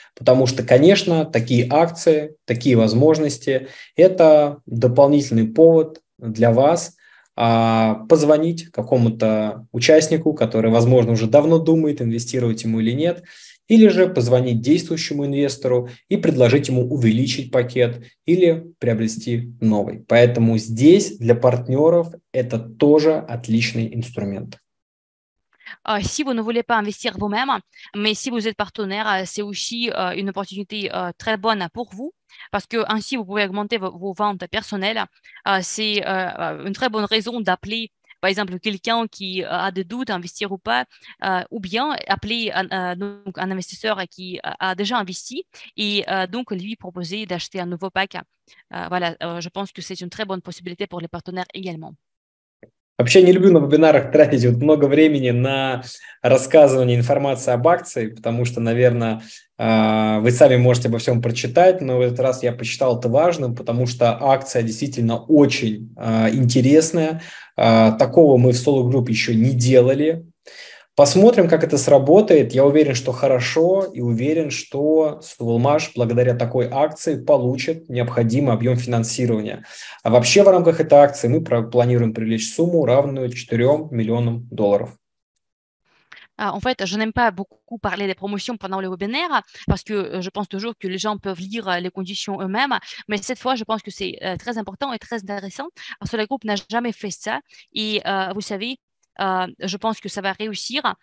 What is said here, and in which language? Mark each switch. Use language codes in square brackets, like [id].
[ru] Потому что, конечно, такие акции, такие возможности – это дополнительный повод для вас позвонить какому-то участнику, который, возможно, уже давно думает, инвестировать ему или нет, или же позвонить действующему инвестору и предложить ему увеличить пакет или приобрести новый. Поэтому здесь для партнеров это тоже отличный инструмент. [fr] Si vous ne voulez pas investir vous-même, mais si vous êtes partenaire, c'est aussi une opportunité très bonne pour vous, parce que ainsi vous pouvez augmenter vos ventes personnelles. C'est une très bonne raison d'appeler, par exemple, quelqu'un qui a des doutes investir ou pas, ou bien appeler un investisseur qui a déjà investi et donc lui proposer d'acheter un nouveau pack. Voilà, je pense que c'est une très bonne possibilité pour les partenaires également. [ru] Вообще не люблю на вебинарах тратить вот много времени на рассказывание информации об акции, потому что, наверное, вы сами можете обо всем прочитать, но в этот раз я посчитал это важным, потому что акция действительно очень интересная. Такого мы в Solo Group еще не делали. Посмотрим, как это сработает. Я уверен, что хорошо, и уверен, что Сувалмаш благодаря такой акции получит необходимый объем финансирования. А вообще в рамках этой акции мы планируем привлечь сумму, равную 4 миллионам долларов. [fr] En fait, je n'aime pas beaucoup parler des promotions pendant le webinaire parce que je pense toujours que les gens peuvent lire les conditions eux-mêmes. Mais cette fois, je pense que c'est très important et très intéressant parce que le groupe n'a jamais fait ça. Et vous savez, je pense que ça va réussir.